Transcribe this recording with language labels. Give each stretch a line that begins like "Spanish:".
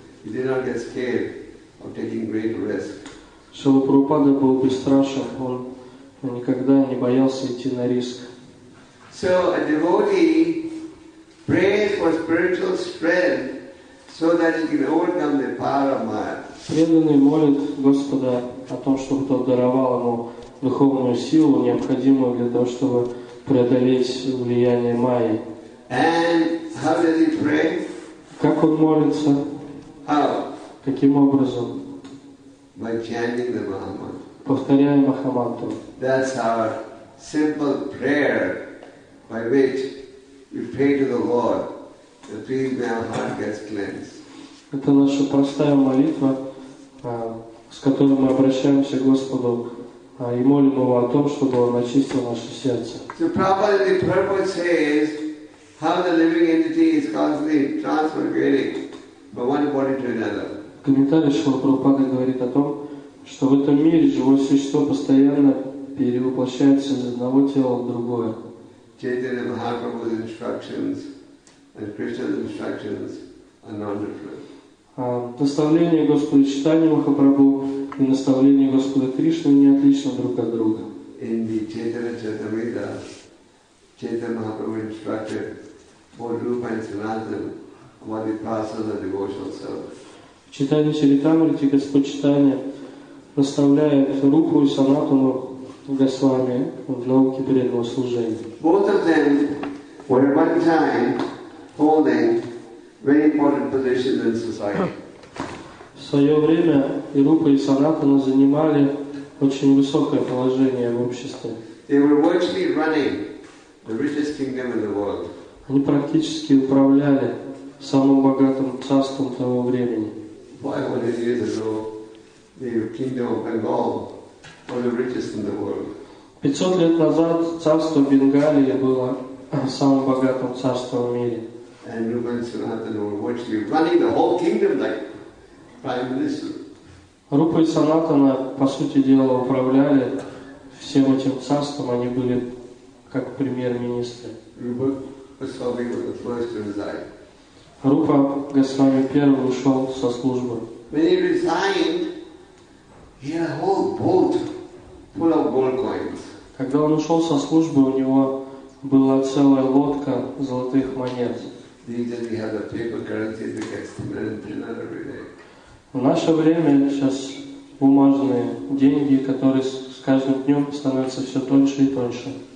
English: He did not get scared of taking great risks.
Russian: Шрила Прабхупада был бесстрашен, он никогда не боялся идти на риск.
English: So a devotee prays for spiritual strength so that he can overcome the power of Maya.
Russian: Преданный молит Господа о том, чтобы тот даровал ему духовную силу, необходимую для того, чтобы преодолеть влияние Майи.
English: And how does he pray?
Russian: Как он молится?
English: How?
Russian: Каким образом?
English: By chanting the mantra.
Russian: Повторяя Махамантру.
English: That's our simple prayer by which we pray to the Lord that please may our heart get cleansed.
Russian: Это наша простая молитва, с которой мы обращаемся к Господу и молим Его о том, чтобы Он очистил наше сердце.
English: So Prabhupada the purpose says how the living entity is constantly transmigrating from one body to another.
Russian: В комментарии Шрила Прабхупада говорит о том, что в этом мире живое существо постоянно перевоплощается из одного тела в другое.
English: Chaitanya Mahaprabhu's instructions and Krishna's instructions are non-different.
Russian: Наставление Господа Чайтанья Махапрабху и наставление Господа Кришны не отличны друг от друга.
English: In the Chaitanya Charitamrita, Chaitanya Mahaprabhu instructed for Rupa and Sanatana about the process of devotional service.
Russian: Chaitanya Charitamrita, Господь Чайтанья наставляет Рупу и Санатану в Госвами в науке преданного служения.
English: Both of them were at one time holding very important positions in society.
Russian: В свое время и Рупа и Санатана занимали очень высокое положение в обществе.
English: They were virtually running the richest kingdom in the world.
Russian: Они практически управляли самым богатым царством того времени.
English: 500 years ago, the kingdom of Bengal was the richest in the world.
Russian: 500 лет назад царство Бенгалии было самым богатым царством в мире.
English: And Rupa and Sanatana were virtually running the whole kingdom like prime minister.
Russian: Rupa и Санатана, по сути дела, управляли всем этим царством. Они были как премьер-министры.
English: Rupa Goswami was the first to resign.
Russian: Rupa Goswami первый ушел со службы.
English: When he resigned, he had a whole boat full of gold coins.
Russian: Когда он ушел со службы, у него была целая лодка золотых монет.
English: We have the paper currency that gets printed every day.
Russian: В наше время сейчас бумажные деньги, которые с каждым днем становятся все тоньше и тоньше.